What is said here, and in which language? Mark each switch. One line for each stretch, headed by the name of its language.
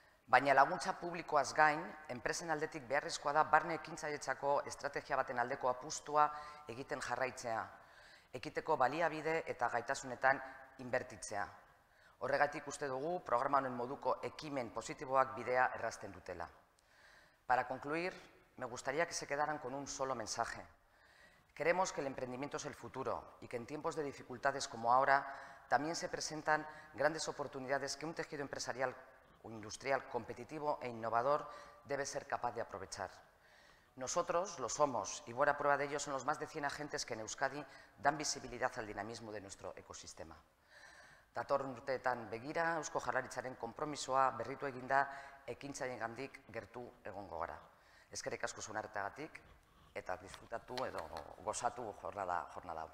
Basque: Baina laguntza publikoaz gain, enpresen aldetik beharrezkoa da barne ekintzailetzako estrategia baten aldeko apustua egiten jarraitzea, ekiteko baliabide eta gaitasunetan inbertitzea. Horregatik uste dugu programa honen moduko ekimen positiboak bidea errazten dutela.
Spanish: Para concluir, me gustaría que se quedaran con un solo mensaje. Creemos que el emprendimiento es el futuro y que en tiempos de dificultades como ahora también se presentan grandes oportunidades que un tejido empresarial o industrial competitivo e innovador debe ser capaz de aprovechar. Nosotros lo somos y buena prueba de ello son los más de 100 agentes que en Euskadi dan visibilidad al dinamismo de nuestro ecosistema.
Basque: Datorren urteetan begira, Eusko Jaurlaritzaren konpromisoa berritu eginda ekintzaileengandik gertu egongo gara. Eskerrik asko zuen arteagatik eta disfrutatu edo gozatu jornada hau.